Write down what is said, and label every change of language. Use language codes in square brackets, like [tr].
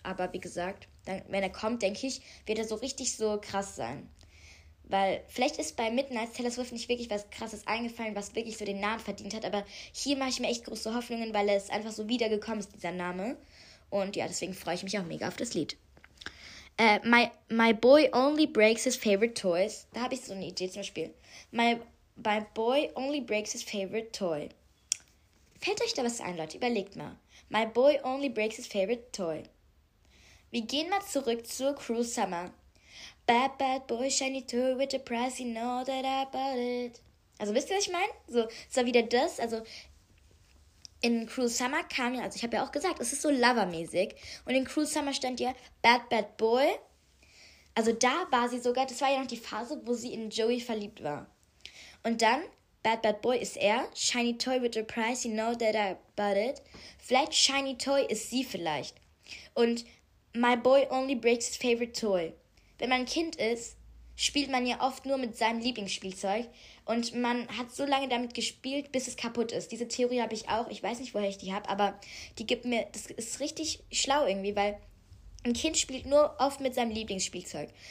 [de] Aber wie gesagt, dann, wenn er kommt, denke ich, wird er so richtig so krass sein. Weil vielleicht ist bei Midnight Taylor Swift nicht wirklich was Krasses eingefallen, was wirklich so den Namen verdient hat. Aber hier mache ich mir echt große Hoffnungen, weil er es einfach so wiedergekommen ist, dieser Name. Und ja, deswegen freue ich mich auch mega auf das Lied. [en] My boy only breaks his favorite toys. [de] Da habe ich so eine Idee zum Beispiel. [en] My boy only breaks his favorite toy. [de] Fällt euch da was ein, Leute? Überlegt mal. [en] My boy only breaks his favorite toy. [de] Wir gehen mal zurück zur Cruel Summer. [en] Bad, bad boy, shiny toy with a price, you know that about it. [de] Also wisst ihr, was ich meine? So, es war wieder das, also... In Cruel Summer kam ja, also ich habe ja auch gesagt, es ist so Lover-mäßig. Und in Cruel Summer stand ja [en] Bad Bad Boy. [de] Also da war sie sogar, das war ja noch die Phase, wo sie in Joey verliebt war. Und dann, [en] Bad Bad Boy [de] ist er. [en] Shiny Toy with a price, you know that about it. [de] Vielleicht [en] Shiny Toy [de] ist sie vielleicht. Und [en] My Boy Only Breaks His Favorite Toy. [de] Wenn man ein Kind ist, spielt man ja oft nur mit seinem Lieblingsspielzeug. Und man hat so lange damit gespielt, bis es kaputt ist. Diese Theorie habe ich auch. Ich weiß nicht, woher ich die habe, aber die gibt mir... Das ist richtig schlau irgendwie, weil ein Kind spielt nur oft mit seinem Lieblingsspielzeug.